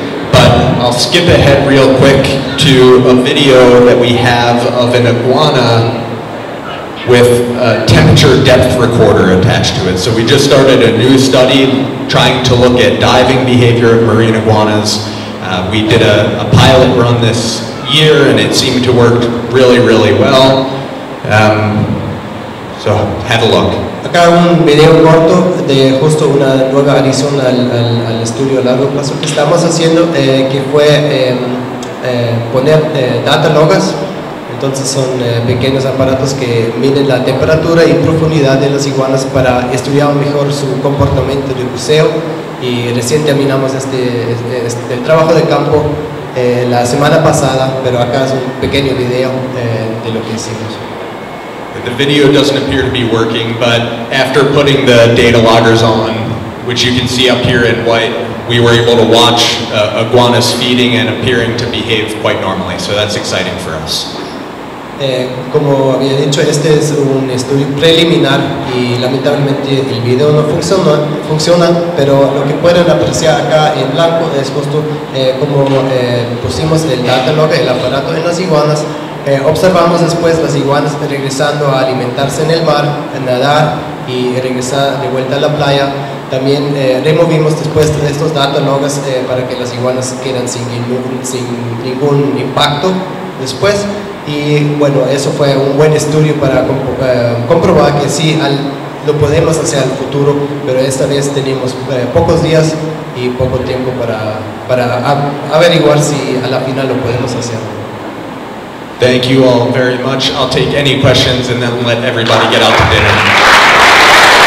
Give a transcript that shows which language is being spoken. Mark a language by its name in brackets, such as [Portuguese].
[English] But I'll skip ahead real quick to a video that we have of an iguana with a temperature depth recorder attached to it. So we just started a new study trying to look at diving behavior of marine iguanas. We did a pilot run this year and it seemed to work really, really well. So have a look. [Spanish] Acá un video corto de justo una nueva adición al estudio a largo plazo que estamos haciendo, que fue poner data logas. Entonces son pequeños aparatos que miden la temperatura y profundidad de las iguanas para estudiar mejor su comportamiento de buceo. Y recién terminamos este trabajo de campo la semana pasada, pero acá es un pequeño video de lo que hicimos. [English] The video doesn't appear to be working, but after putting the data loggers on, which you can see up here in white, we were able to watch iguanas feeding and appearing to behave quite normally. So that's exciting for us. [Spanish] Como había dicho, este es un estudio preliminar y lamentablemente el video no funciona, pero lo que pueden apreciar acá en blanco es justo como pusimos el data log, el aparato en las iguanas. Observamos después las iguanas regresando a alimentarse en el mar, a nadar y regresar de vuelta a la playa. También removimos después de estos data logs para que las iguanas quedan sin ningún impacto después. Y bueno, eso fue un buen estudio para comprobar que sí lo podemos hacer en el futuro, pero esta vez tenemos pocos días y poco tiempo para averiguar si a la final lo podemos hacer. [English] Thank you all very much. I'll take any questions and then let everybody get out to dinner.